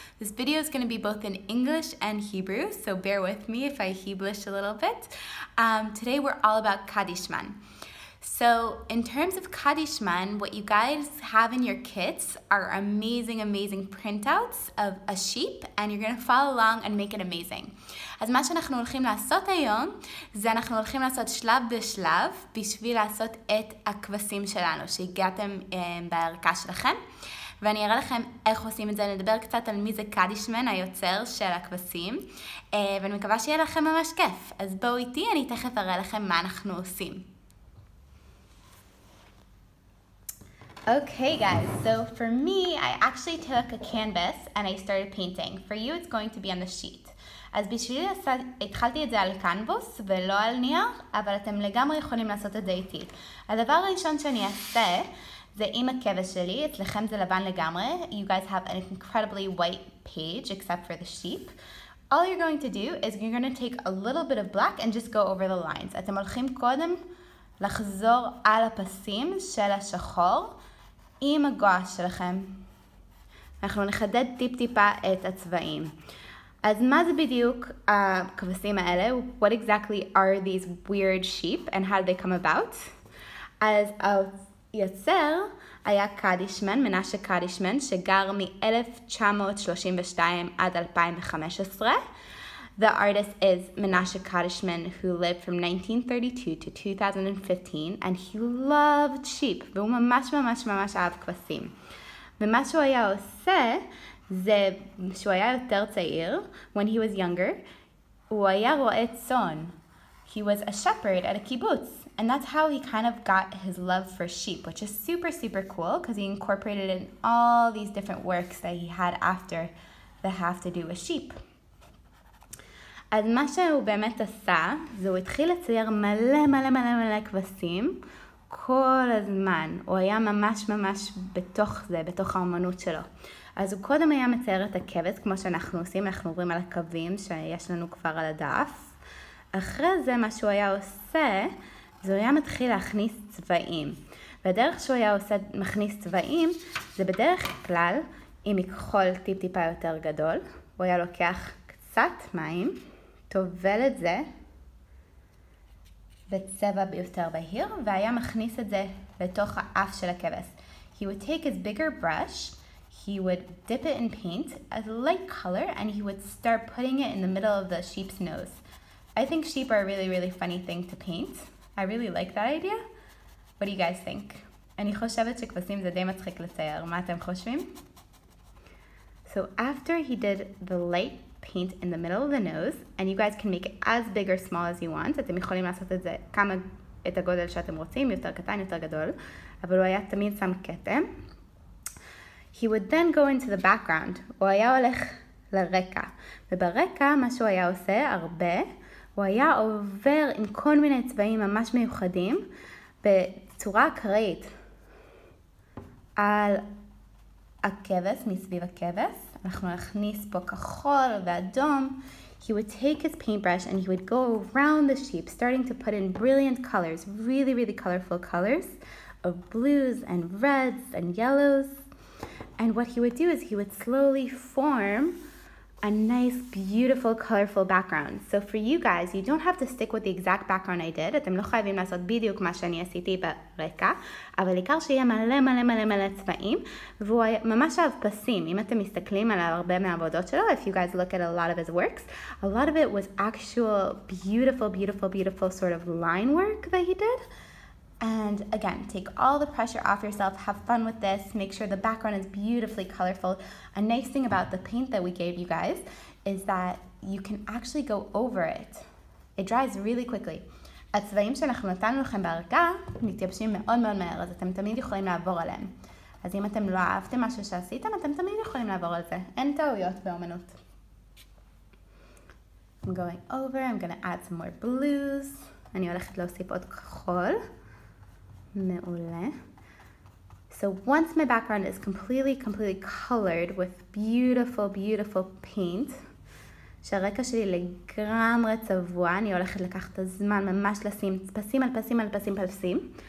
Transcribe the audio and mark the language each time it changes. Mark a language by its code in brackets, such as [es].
[en] This video is going to be both in English and Hebrew, so bear with me if I Hebrewish a little bit. Today we're all about Kadishman. So in terms of Kadishman, what you guys have in your kits are amazing, amazing printouts of a sheep, and you're going to follow along and make it amazing. [he] אז מה שאנחנו הולכים לעשות היום, זה אנחנו הולכים לעשות שלב בשלב, בשביל לעשות את הכבשים שלנו, שהגעתם בערכה שלכם. ואני אראה לכם איך עושים את זה, נדבר קצת על מי זה קדישמן, היוצר של הכבשים, ואני מקווה שיהיה לכם ממש כיף. אז בואו איתי, אני תכף אראה לכם מה אנחנו עושים. [en] Okay guys, so for me, I actually took a canvas and I started painting. For you, it's going to be on the sheet. [he] אז בשבילי התחלתי את זה על קנבוס ולא על נייר, אבל אתם לגמרי יכולים לעשות את זה איתי. הדבר הראשון שאני אעשה זה עם הכבש שלי, אצלכם זה לבן לגמרי. [en] You guys have an incredibly white page except for the sheep. All you're going to do is you're going to take a little bit of black and just go over the lines. [he] אתם הולכים קודם לחזור על הפסים של השחור עם הגואש שלכם. אנחנו נחדד טיפ טיפה את הצבעים. אז מה זה בדיוק הכבשים האלה? [en] What exactly are these weird sheep and how did they come about? [he] אז היוצר היה קדישמן, מנשה קדישמן, שגר מ-1932 עד 2015. [en] The artist is Menashe Kadishman, who lived from 1932 to 2015, and he loved sheep. [he] והוא ממש ממש ממש אהב כבשים. ומה שהוא היה עושה, זה שהוא היה יותר צעיר, [en] when he was younger, [he] הוא היה רועה צאן. [en] He was a shepherd at a kibbutz, and that's how he kind of got his love for sheep, which is super, super cool, because he incorporated in all these different works that he had after that have to do with sheep. [he] אז מה שהוא באמת עשה, זה הוא התחיל לצייר מלא מלא מלא מלא כבשים כל הזמן. הוא היה ממש ממש בתוך זה, בתוך האמנות שלו. אז הוא קודם היה מצייר את הכבש, כמו שאנחנו עושים, אנחנו עוברים על הקווים שיש לנו כבר על הדף. אחרי זה מה שהוא היה עושה, זה הוא היה מתחיל להכניס צבעים. והדרך שהוא היה עושה, מכניס צבעים, זה בדרך כלל עם מכחול טיפ טיפה יותר גדול. הוא היה לוקח קצת מים, טובל את זה בצבע יותר בהיר, והיה מכניס את זה לתוך האף של הכבש. [en] He would take his bigger brush, he would dip it in paint, a light color, and he would start putting it in the middle of the sheep's nose. I think sheep are a really, really funny thing to paint. I really like that idea. What do you guys think? [he] אני חושבת שכבשים זה די מצחיק לצייר. מה אתם חושבים? [en] So after he did the light paint in the middle of the nose, and you guys can make it as big or small as you want. [he] אתם יכולים לעשות את זה כמה, את הגודל שאתם רוצים, יותר קטן, יותר גדול, אבל הוא היה תמיד שם כתם. [en] He would then go into the background. [he] הוא היה הולך לרקע. וברקע, מה שהוא היה עושה הרבה, הוא היה עובר עם כל מיני צבעים ממש מיוחדים, בצורה אקראית, על הכבש, מסביב הכבש. אנחנו נכניס פה כחול ואדום. [en] He would take his paintbrush and he would go around the sheep, starting to put in brilliant colors, really, really colorful colors of blues and reds and yellows. And what he would do is he would slowly form a nice, beautiful, colorful background. So for you guys, you don't have to stick with the exact background I did. [he] אתם לא חייבים לעשות בדיוק מה שאני עשיתי ברקע, אבל עיקר שיהיה מלא מלא מלא מלא צבעים, והוא ממש אהב פסים. אם אתם מסתכלים על הרבה מהעבודות שלו, [en] if you guys look at a lot of his works, a lot of it was actual beautiful, beautiful, beautiful sort of line work that he did. And again, take all the pressure off yourself, have fun with this, make sure the background is beautifully colorful. A nice thing about the paint that we gave you guys is that you can actually go over it. It dries really quickly. [he] הצבעים שאנחנו נתנו לכם בערכה מתייבשים מאוד מאוד מהר, אז אתם תמיד יכולים לעבור עליהם. אז אם אתם לא אהבתם משהו שעשיתם, אתם תמיד יכולים לעבור על זה. אין טעויות באומנות. [en] I'm going over, I'm going to add some more blues. [he] אני הולכת להוסיף עוד כחול. מעולה. [en] So once my background is completely colored with beautiful paint [he] שהרקע שלי לגמרי צבוע, אני הולכת לקחת הזמן ממש לשים פסים על פסים על פסים פסים.